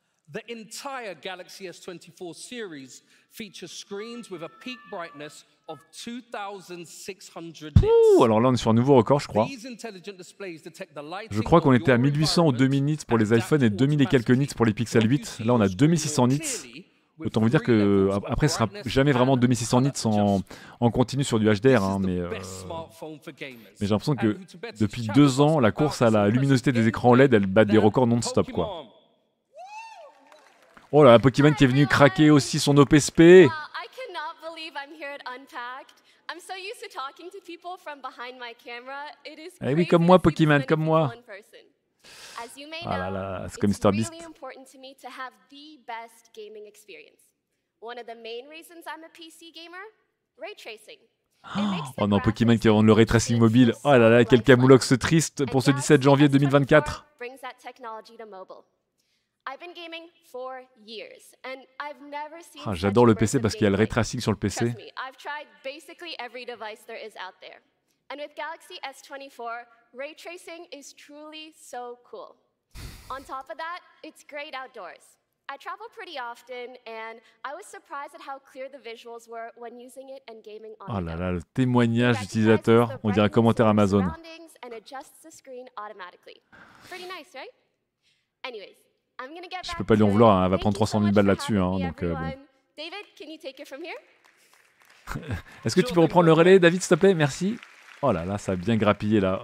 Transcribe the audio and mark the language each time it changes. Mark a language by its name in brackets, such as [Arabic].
[English] The entire Galaxy S24 series features screens with a peak brightness of 2600 nits. [French] Ouh, alors là on est sur un nouveau record, je crois. [English] These intelligent displays detect the lighting. [French] Je crois qu'on était à 1800 ou 2000 nits pour les iPhones et 2000 et quelques nits pour les Pixel 8. Là on a 2600 nits. Autant vous dire que après ce sera jamais vraiment 2600 nits en continu sur du HDR, hein, mais j'ai l'impression que depuis 2 ans, la course à la luminosité des écrans OLED, elle bat des records non-stop, quoi. Oh là, Pokémon qui est venu craquer aussi son OPSP. Eh oui, comme moi, Pokémon, comme moi. [English] As you may know, it's really important to me to have the best gaming experience. One of the main reasons I'm a PC gamer, ray tracing. [French] Oh non, Pokémon qui rend le ray tracing mobile. Oh là là, quel camoulox triste pour ce 17 janvier 2024. [English] Brings that technology to mobile. I've been gaming for years and I've never seen. [French] Ah, j'adore le PC parce qu'il y a le ray tracing sur le PC. [English] I've tried basically every device there is out there. And with Galaxy S24, ray tracing is truly so cool. On top of that, it's great outdoors. I travel pretty often and I was surprised at how clear the visuals were when using it and gaming on. [French] Oh là là, le témoignage d'utilisateur, on dirait un commentaire Amazon. [English] And adjusts the screen automatically. Pretty nice, right? Anyways, I'm going to get back. [French] Je peux pas lui en vouloir, hein. Elle va prendre 300 000 balles là-dessus, hein, donc bon. [English] David, can you take it from here? [French] Est-ce que tu peux reprendre le relais, David, s'il te plaît? Merci. Oh là là, ça a bien grappillé là.